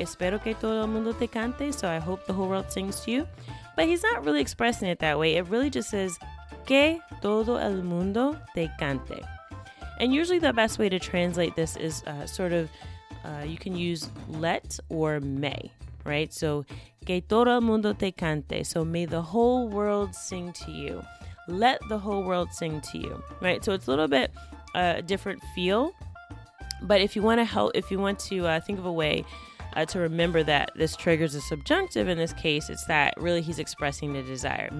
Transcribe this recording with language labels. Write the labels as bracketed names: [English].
[Spanish] Espero que todo el mundo te cante, [English] so I hope the whole world sings to you. But he's not really expressing it that way. It really just says [Spanish] que todo el mundo te cante. [English] And usually the best way to translate this is you can use let or may, right? [Spanish] So que todo el mundo te cante. [English] So may the whole world sing to you. Let the whole world sing to you, right? So it's a little bit different feel. But if you want to help, if you want to think of a way to remember that this triggers a subjunctive in this case, it's that really he's expressing the desire.